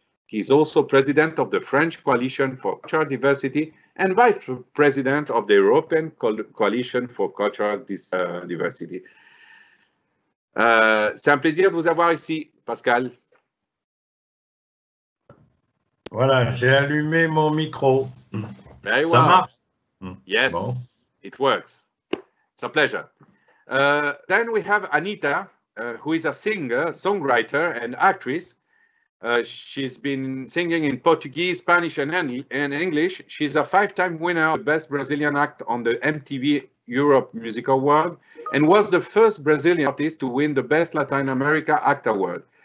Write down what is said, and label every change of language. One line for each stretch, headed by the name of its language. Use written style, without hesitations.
English: He is also President of the French Coalition for Cultural Diversity and Vice President of the European Coalition for Cultural Diversity.
French: C'est un plaisir de vous avoir ici, Pascal. Voilà, j'ai allumé mon micro.
English: Very well.
French: Ça marche.
English: Yes, bon. It works. It's a pleasure. Then we have Anitta, who is a singer, songwriter and actress. She's been singing in Portuguese, Spanish and English. She's a five-time winner of Best Brazilian Act on the MTV Europe Music Award and was the first Brazilian artist to win the Best Latin America Act Award.